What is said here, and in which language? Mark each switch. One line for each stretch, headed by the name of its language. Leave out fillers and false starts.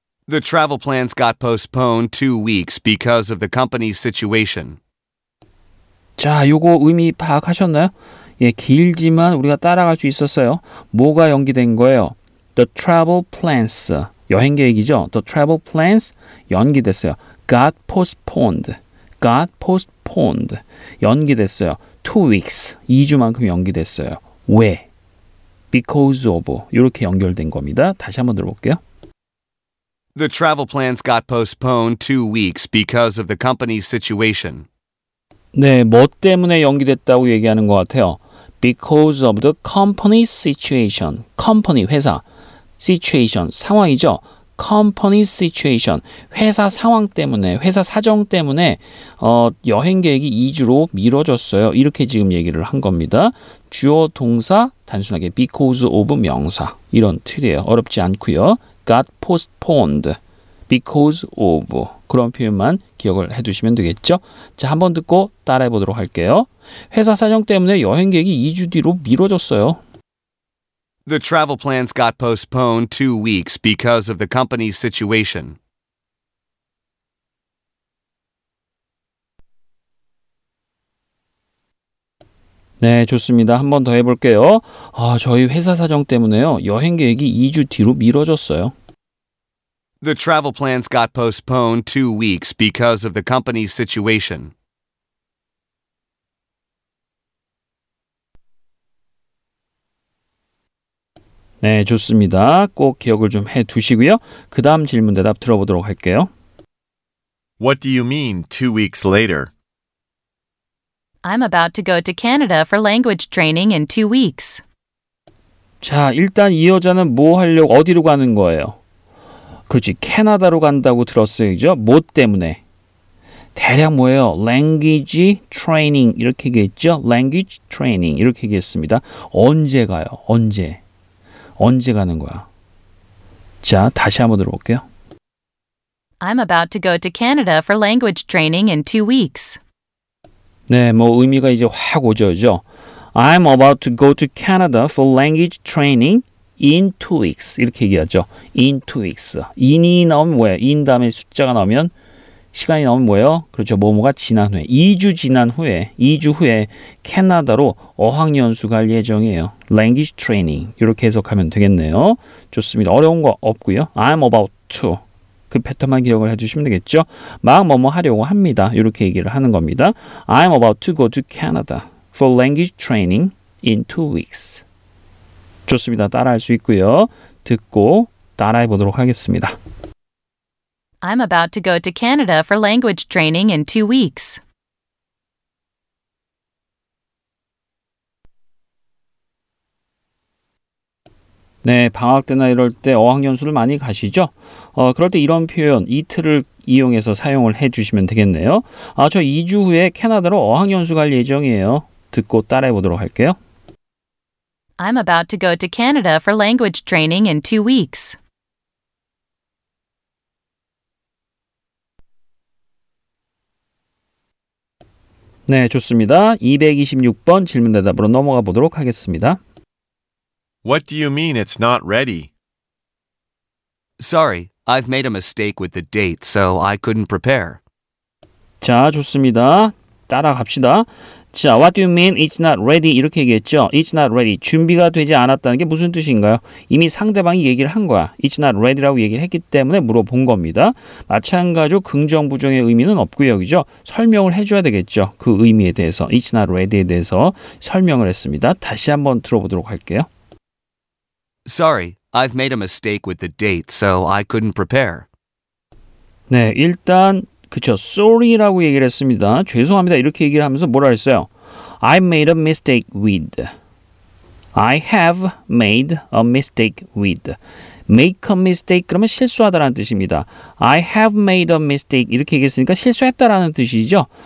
English: The travel plans got postponed 2 weeks because of the company's situation.
Korean: 자, 요거 의미 파악하셨나요? 예, 길지만 우리가 따라갈 수 있었어요. 뭐가 연기된 거예요?
English: The travel plans,
Korean: 여행 계획이죠? The travel plans, 연기됐어요.
English: Got postponed, got postponed,
Korean: 연기됐어요. 2 weeks, 2주만큼 연기됐어요. 왜? Because of, 이렇게 연결된 겁니다. 다시 한번 들어볼게요.
English: The travel plans got postponed 2 weeks because of the company's situation.
Korean: 네, 뭐 때문에 연기됐다고 얘기하는 것 같아요.
English: Because of the company's situation. Company,
Korean: 회사. Situation, 상황이죠. Company's situation, 회사 상황 때문에, 회사 사정 때문에 여행 계획이 2주로 미뤄졌어요. 이렇게 지금 얘기를 한 겁니다. 주어, 동사, 단순하게 because of 명사. 이런 틀이에요. 어렵지 않고요.
English: Got postponed because of.
Korean: 그런 표현만 기억을 해두시면 되겠죠. 자, 한번 듣고 따라해보도록 할게요. 회사 사정 때문에 여행 계획이 2주 뒤로 미뤄졌어요.
English: The travel plans got postponed 2 weeks because of the company's situation.
Korean: Yes, 네, 좋습니다. 한 번 더 해볼게요. 아, 저희 회사 사정 때문에요. 여행 계획이 2주 뒤로 미뤄졌어요.
English: The travel plans got postponed 2 weeks because of the company's situation.
Korean: 네, 좋습니다. 꼭 기억을 좀 해 두시고요. 그 다음 질문 대답 들어보도록 할게요.
English: What do you mean 2 weeks later? I'm about to go to Canada for language training in 2 weeks.
Korean: 자, 일단 이 여자는 뭐 하려고 어디로 가는 거예요? 그렇지, 캐나다로 간다고 들었어요, 그죠? 뭐 때문에? 대략 뭐예요? Language training 이렇게 얘기했죠? Language training 이렇게 얘기했습니다. 언제 가요? 언제? 언제 가는 거야? 자, 다시 한번 들어볼게요.
English: I'm about to go to Canada for language training in 2 weeks.
Korean: 네, 뭐 의미가 이제 확 오죠, 그죠?
English: I'm about to go to Canada for language training in 2 weeks.
Korean: 이렇게 얘기하죠. In 2 weeks. In이 나오면 뭐예요? In 다음에 숫자가 나오면 시간이 나오면 뭐예요? 그렇죠. 뭐뭐가 지난 후에. 2주 지난 후에. 2주 후에 캐나다로 어학연수 갈 예정이에요.
English: Language training.
Korean: 이렇게 해석하면 되겠네요. 좋습니다. 어려운 거 없고요.
English: I'm about to.
Korean: 그 패턴만 기억을 해주시면 되겠죠. 막 뭐뭐 하려고 합니다. 이렇게 얘기를 하는 겁니다.
English: I'm about to go to Canada for language training in 2 weeks.
Korean: 좋습니다. 따라할 수 있고요. 듣고 따라해 보도록 하겠습니다.
English: I'm about to go to Canada for language training in 2 weeks.
Korean: 네, 방학 때나 이럴 때 어학연수를 많이 가시죠? 그럴 때 이런 표현, 이틀을 이용해서 사용을 해 주시면 되겠네요. 아, 저 2주 후에 캐나다로 어학연수 갈 예정이에요. 듣고 따라해 보도록 할게요.
English: I'm about to go to Canada for language training in 2 weeks.
Korean: 네, 좋습니다. 226번 질문 대답으로 넘어가 보도록 하겠습니다.
English: What do you mean it's not ready? Sorry, I've made a mistake with the date, so I couldn't prepare.
Korean: 자, 좋습니다. 따라갑시다.
English: 자, what do you mean it's not ready? 이렇게 얘기했죠. It's not ready.
Korean: 준비가 되지 않았다는 게 무슨 뜻인가요? 이미 상대방이 얘기를 한 거야.
English: It's not ready
Korean: 라고 얘기를 했기 때문에 물어본 겁니다. 마찬가지로 긍정, 부정의 의미는 없고요. 그죠? 설명을 해줘야 되겠죠. 그 의미에 대해서, it's not ready에 대해서 설명을 했습니다. 다시 한번 들어보도록 할게요.
English: Sorry, I've made a mistake with the date, so I couldn't prepare.
Korean: 네, 일단... 그렇죠. Sorry라고 얘기를 했습니다. 죄송합니다. 이렇게 얘기를 하면서 뭐라 했어요?
English: I made a mistake with. I have made a mistake with.
Korean: Make a mistake 그러면 실수하다라는 뜻입니다.
English: I have made a mistake
Korean: 이렇게 얘기했으니까 실수했다라는 뜻이죠.